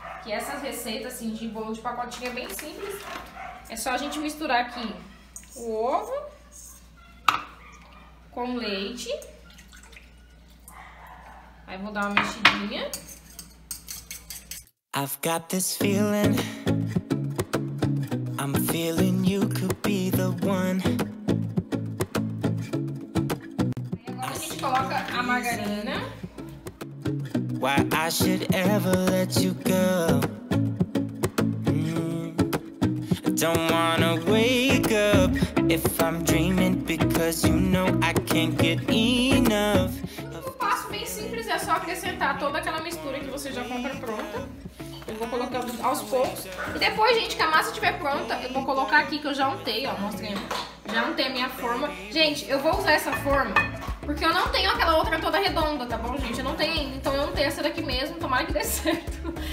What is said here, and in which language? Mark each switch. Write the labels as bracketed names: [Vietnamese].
[Portuguese] Que essas receitas, assim, de bolo de pacotinho é bem simples. É só a gente misturar aqui o ovo com leite. Aí vou dar uma mexidinha. [English] I've got this feeling. I'm feeling you could be the one. [Portuguese] Coloca a margarina. [English] Why I should ever let you go. Don't wanna wake up if I'm dreaming because you know I can't get enough. [Portuguese] O passo bem simples é só acrescentar toda aquela mistura que você já compra pronta. Eu vou colocando aos poucos. E depois, gente, que a massa estiver pronta, eu vou colocar aqui que eu já untei, ó. Mostrei. Já untei a minha forma. Gente, eu vou usar essa forma. Porque eu não tenho aquela outra toda redonda, tá bom, gente? Eu não tenho ainda, então eu não tenho essa daqui mesmo, tomara que dê certo.